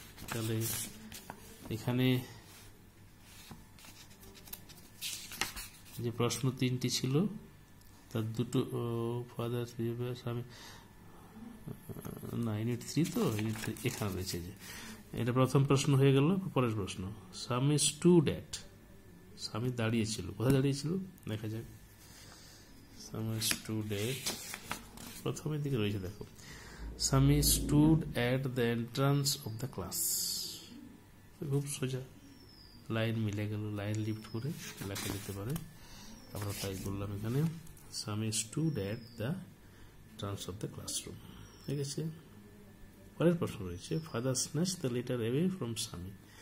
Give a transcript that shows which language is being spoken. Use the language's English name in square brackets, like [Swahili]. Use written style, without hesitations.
[Bangla] তাহলে এখানে যে প্রশ্ন তিনটি ছিল তার দুটো, ফাদার্স বিহেভিয়ার, স্বামী, না ইউনিট থ্রি তো, ইউনিট থ্রি এখানে রয়েছে যে, এটা প্রথম প্রশ্ন হয়ে গেল। পরের প্রশ্ন, [English] স্বামী stood at, [Bangla] স্বামী দাঁড়িয়েছিল, কোথায় দাঁড়িয়েছিল দেখা যাক, স্বামী স্টুড অ্যাট প্রথমের দিকে রয়েছে, দেখো [English] Sami stood at the entrance of the class. [Bangla] খুব সোজা লাইন মিলে গেল, লাইন লিফট করে লেখা যেতে পারে। আমরা তাই বললাম এখানে [English] Sami stood at the entrance of the classroom. [Bangla] ঠিক আছে, পরের প্রশ্ন রয়েছে, [English] Father snatched the letter away from Sami.